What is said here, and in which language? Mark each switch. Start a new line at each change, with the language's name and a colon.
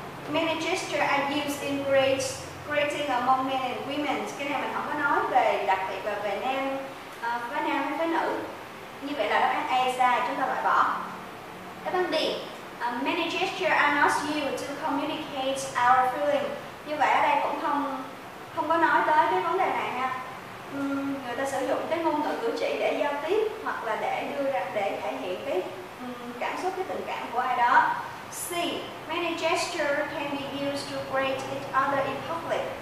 English: Many gestures are used in greeting among men and women.
Vietnamese: Cái này mình không có nói về đặc biệt là về nam với nam hay với nữ. Như vậy là đáp án A sai, chúng ta loại bỏ. Đáp án D,
English: many gestures are not used to communicate our feeling.
Vietnamese: Như vậy ở đây cũng không có nói tới cái vấn đề này nha. Người ta sử dụng cái ngôn ngữ cử chỉ để giao tiếp hoặc là để đưa ra để thể hiện cái cảm xúc, cái tình cảm của ai đó.
English: C, many gestures can be used to greet each other in public.